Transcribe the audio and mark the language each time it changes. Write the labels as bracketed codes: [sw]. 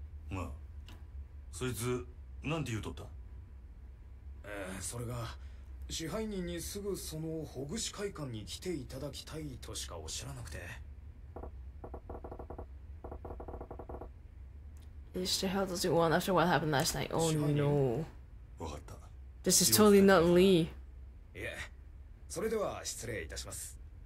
[ja] まあ、そいつ、なんて言うとった? それが、支配人にすぐそのほぐし会館に来ていただきたいとしかおっしゃらなくて。 [en] Is the hell does it want after what happened last night? Oh no. [ja] わかった。 [en] This is totally not Lee. [ja] いえ、それでは失礼いたします。